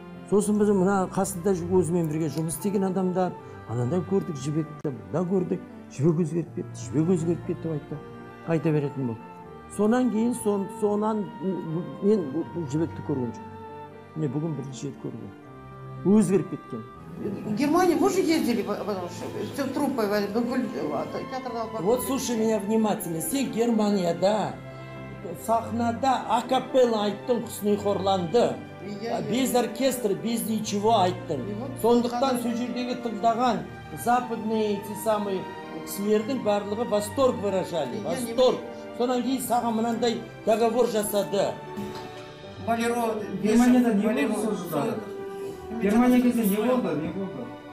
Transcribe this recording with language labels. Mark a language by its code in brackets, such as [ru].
[kk] Сосын біз мына қасында өзімен бірге жұмыс істеген адамдар, анандай көрдік Жібекті, мында көрдік, Жібек өзгеріп кетті, Жібек өзгеріп кетті деп айта беретін болды. Сонан кейін, сонан мен Жібекті көрген жоқ. Міне бүгін бірінші рет көрдім. Өзгеріп кеткен. [ru] Германия, вы же ездили, пожалуйста, с труппой, [kk] бүкіл театрда. [ru] Вот слушай меня внимательно. [kk] Сен Германияда сахнада акапелла айттың, құсни хорланды. [ru] Без оркестра, без ничего [kk] айттың. Сондықтан сол жердегі тыңдаған [ru] западные эти самые [kk] кісілердің барлығы [ru] восторг выражали, восторг. [kk] Сонан кейін саған мынандай договор жасады. Валеро, Германияда не болды сол жылдары? Германия кезде не болды? Не болды?